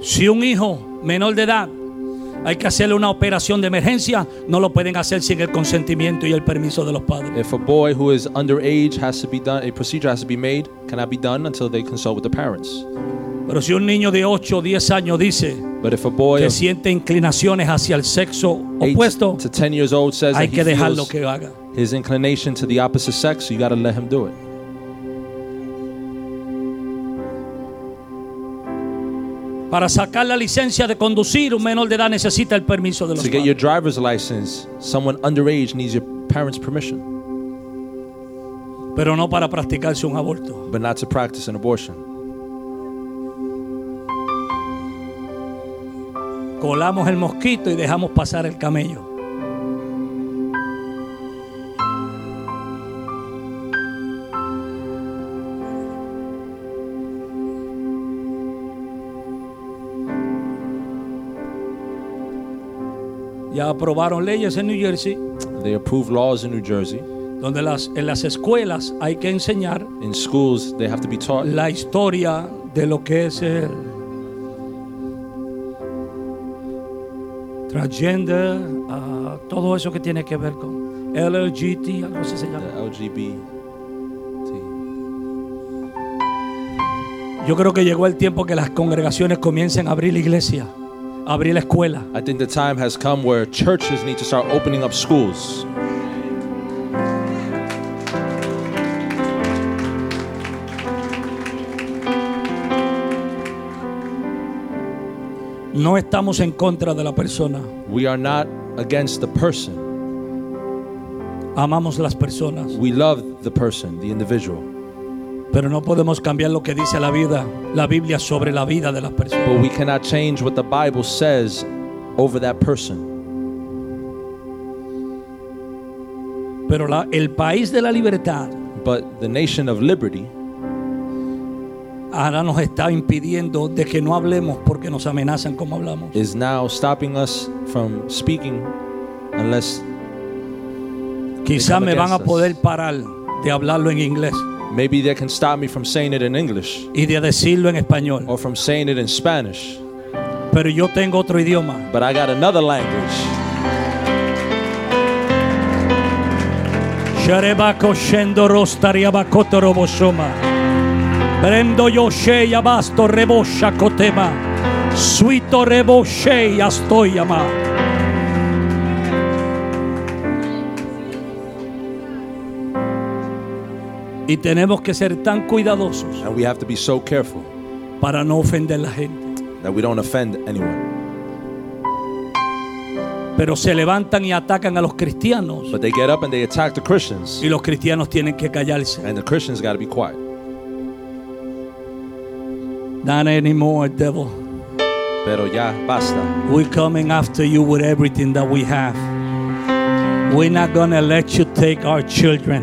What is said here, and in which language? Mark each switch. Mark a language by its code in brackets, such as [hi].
[es] Si un hijo menor de edad hay que hacerle una operación de emergencia, no lo pueden hacer sin el consentimiento y el permiso de los padres. [en] If a boy who is underage has to be done, a procedure has to be made, cannot be done until they consult with the parents. [es] Pero si un niño de 8 o 10 años dice que siente inclinaciones hacia el sexo opuesto, [en] to 10 years old says [es] hay que dejarlo que haga. [en] His inclination to the opposite sex, you got to let him do it. [es] Para sacar la licencia de conducir, un menor de edad necesita el permiso de los padres. [en] To get your driver's license, someone underage needs your parents' permission. [es] Pero no para practicarse un aborto. [en] But not to practice an abortion. [es] Colamos el mosquito y dejamos pasar el camello. Ya aprobaron leyes en New Jersey. [en] They approved laws in New Jersey. [es] Donde en las escuelas hay que enseñar. [en] In schools they have to be taught. [es] La historia de lo que es el transgender, todo eso que tiene que ver con LGBT, algo así se llama. [en] LGBT. [es] Yo creo que llegó el tiempo que las congregaciones comiencen a abrir la iglesia. Abrir la escuela. [en] I think the time has come where churches need to start opening up schools. [es] No estamos en contra de la persona. [en] We are not against the person. [es] Amamos las personas. [en] We love the person, the individual. [es] Pero no podemos cambiar lo que dice la Biblia sobre la vida de las personas. [en] But we cannot change what the Bible says over that person. [es] Pero el país de la libertad. [en] But the nation of liberty. [es] Ahora nos está impidiendo de que no hablemos porque nos amenazan como hablamos. [en] Is now stopping us from speaking unless. [es] Quizá me van a poder parar de hablarlo en inglés. [en] Maybe they can stop me from saying it in English. [es] Y de decirlo en español. [en] Or from saying it in Spanish. [es] Pero yo tengo otro idioma. [en] But I got another language. Sherebako shendo rostariabakoto roboshoma. Brendo yoshe yabasto rebosha kotema. Suito reboshe yastoyama. [es] Y tenemos que ser tan cuidadosos. [en] And we have to be so careful. [es] Para no ofender la gente. [en] That we don't offend anyone. [es] Pero se levantan y atacan a los cristianos. [en] But they get up and they attack the Christians. [es] Y los cristianos tienen que callarse. [en] And the Christians got to be quiet. Not anymore, devil. [es] Pero ya basta. [en] We're coming after you with everything that we have. We're not going to let you take our children